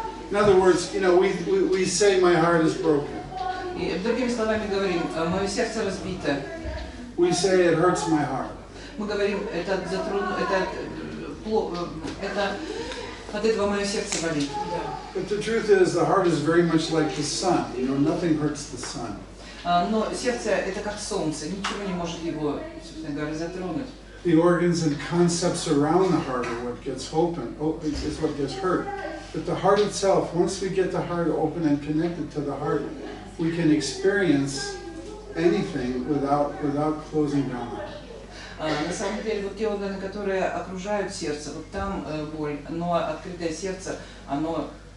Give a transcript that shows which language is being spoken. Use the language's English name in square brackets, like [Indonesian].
[English] In other words, you know, we say my heart is broken. We say it hurts my heart. But the truth is, the heart is very much like the sun. You know, nothing hurts the sun. [Russian] Но сердце это как солнце, ничего не может его, собственно говоря, затронуть. [English] The organs and concepts around the heart are what gets open. Is what gets hurt. But the heart itself, once we get the heart open and connected to the heart, we can experience anything without closing down. [Russian] На самом деле, вот те органы, которые окружают сердце, вот там боль, но открытое сердце, оно...